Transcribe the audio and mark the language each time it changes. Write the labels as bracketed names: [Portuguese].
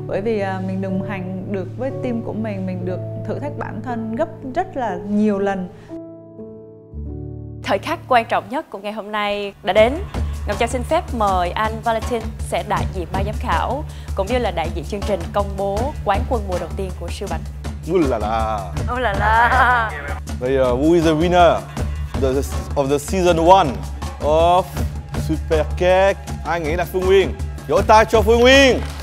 [Vietnamese] Bởi vì mình đồng hành được với team của mình được thử thách bản thân gấp rất là nhiều lần. Thời khắc quan trọng nhất của ngày hôm nay đã đến. Ngọc Trang xin phép mời anh Valentin sẽ đại diện ban giám khảo cũng như là đại diện chương trình công bố quán quân mùa đầu tiên của siêu bánh. Ooh la la. Ooh la la. [English] Hey, who is the winner of the season 1 of Super Cake? [Vietnamese] Ai nghĩ là Phương Nguyên? Vỗ tay cho Phương Nguyên.